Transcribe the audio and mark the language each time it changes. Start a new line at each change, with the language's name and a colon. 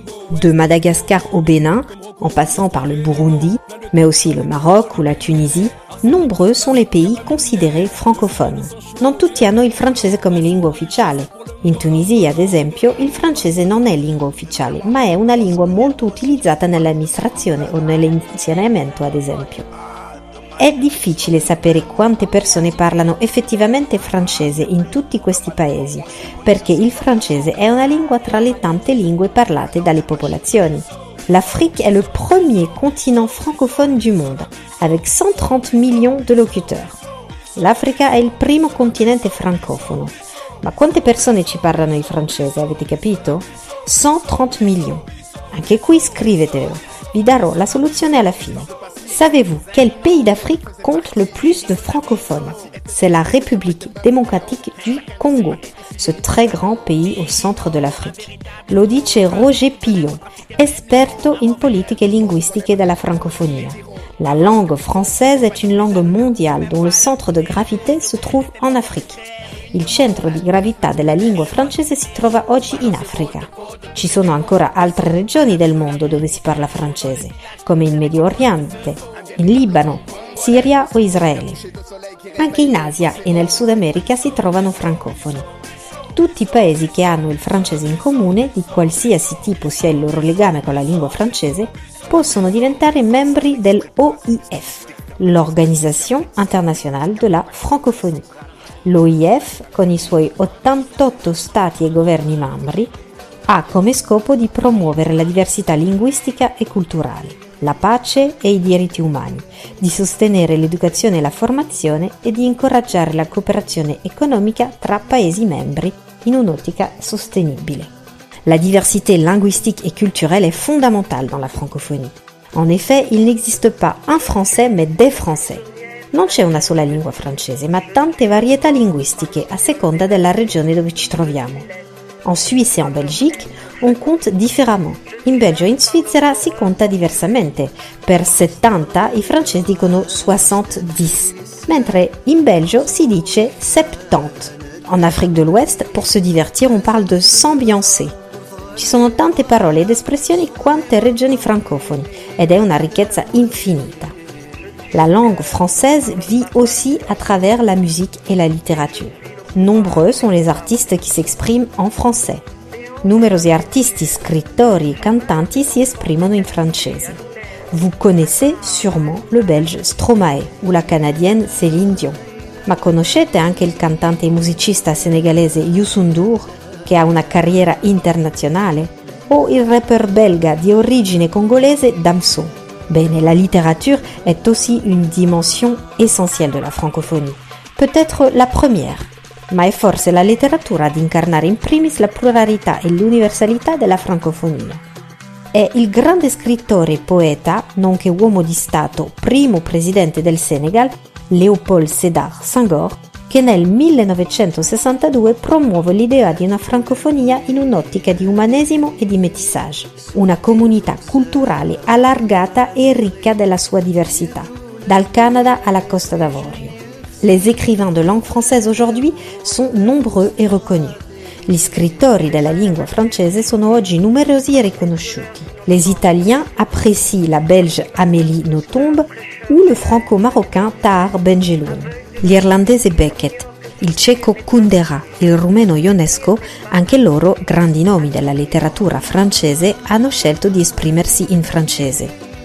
French: De Madagascar au Bénin, en passant par le Burundi, mais aussi le Maroc ou la Tunisie, nombreux sont les pays considérés francophones.
Italian: Non tutti hanno il francese come lingua ufficiale. In Tunisia, ad esempio, il francese non è lingua ufficiale, ma è una lingua molto utilizzata nell'amministrazione o nell'insegnamento, ad esempio. È difficile sapere quante persone parlano effettivamente francese in tutti questi paesi, perché il francese è una lingua tra le tante lingue parlate dalle popolazioni.
French: L'Afrique est le premier continent francophone du monde, avec 130 millions de locuteurs.
Italian: L'Africa è il primo continente francofono. Ma quante persone ci parlano il francese, avete capito? 130 milioni. Anche qui scrivetelo, vi darò la soluzione alla fine.
French: Savez-vous quel pays d'Afrique compte le plus de francophones? C'est la République démocratique du Congo, ce très grand pays au centre de l'Afrique.
Italian: Lo dice Roger Pillon, esperto in politiche linguistiche della francophonie.
French: La langue française est une langue mondiale dont le centre de gravité se trouve en Afrique.
Italian: Il centro di gravità della lingua francese si trova oggi in Africa. Ci sono ancora altre regioni del mondo dove si parla francese, come in Medio Oriente, in Libano, Siria o Israele. Anche in Asia e nel Sud America si trovano francofoni. Tutti i paesi che hanno il francese in comune, di qualsiasi tipo sia il loro legame con la lingua francese, possono diventare membri dell'OIF, l'Organisation Internationale de la Francophonie. L'OIF, con i suoi 88 stati e governi membri, ha come scopo di promuovere la diversità linguistica e culturale, la pace e i diritti umani, di sostenere l'educazione e la formazione e di incoraggiare la cooperazione economica tra paesi membri in un'ottica sostenibile.
French: La diversité linguistique et culturelle est fondamentale dans la francophonie. En effet, il n'existe pas un français mais des français.
Italian: Non c'è una sola lingua francese, ma tante varietà linguistiche a seconda della regione dove ci troviamo.
French: En Suisse et en Belgique, on compte différemment.
Italian: In Belgio e in Svizzera si conta diversamente. Per 70 i francesi dicono 70, mentre in Belgio si dice 70.
French: En Afrique de l'Ouest, pour se divertir, on parle de s'ambiancer.
Italian: Ci sono tante parole ed espressioni quante regioni francofoni ed è una ricchezza infinita.
French: La langue française vit aussi à travers la musique et la littérature. Nombreux sont les artistes qui s'expriment en français.
Italian: Numerosi artisti, scrittori e cantanti si esprimono in francese.
French: Vous connaissez sûrement le belge Stromae ou la canadienne Céline Dion.
Italian: Ma conoscete anche il cantante e musicista senegalese Youssou N'Dour, che ha una carriera internazionale, o il rapper belga di origine congolese Damso.
French: Bene, la littérature est aussi une dimension essentielle de la francophonie. Peut-être la première,
Italian: ma è forse la letteratura ad incarnare in primis la pluralità e l'universalità della francofonia. È il grande scrittore e poeta, nonché uomo di Stato, primo presidente del Senegal, Léopold Sédar Senghor, che nel 1962 promuove l'idea di una francofonia in un'ottica di umanesimo e di métissage, una comunità culturale allargata e ricca della sua diversità, dal Canada alla Costa d'Avorio.
French: Les écrivains de langue française aujourd'hui sont nombreux et reconnus.
Italian: Gli scrittori della lingua francese sono oggi numerosi e riconosciuti.
French: Les Italiens apprécient la Belge Amélie Nothomb ou le franco-marocain Tahar Benjelloun.
Italian: L'irlandese Beckett, il ceco Kundera e il rumeno Ionesco, anche loro grandi nomi della letteratura francese, hanno scelto di esprimersi in francese.